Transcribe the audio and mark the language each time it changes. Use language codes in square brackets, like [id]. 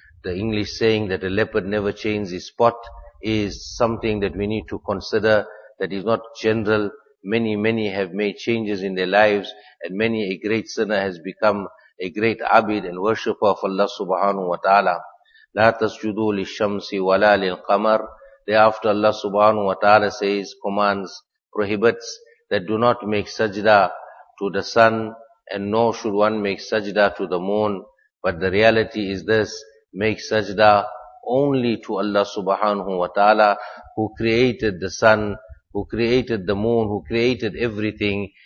[en] The English saying that a leopard never changes his spot is something that we need to consider, that is not general. Many, many have made changes in their lives, and many a great sinner has become a great abid and worshipper of Allah subhanahu wa ta'ala. [ar] لا تسجدوا للشمسي ولا للقمر. [en] Thereafter Allah subhanahu wa ta'ala says, commands, prohibits, that do not make sajda to the sun, and nor should one make sajda to the moon. But the reality is this, make sajda only to Allah subhanahu wa ta'ala, who created the sun, who created the moon, who created everything.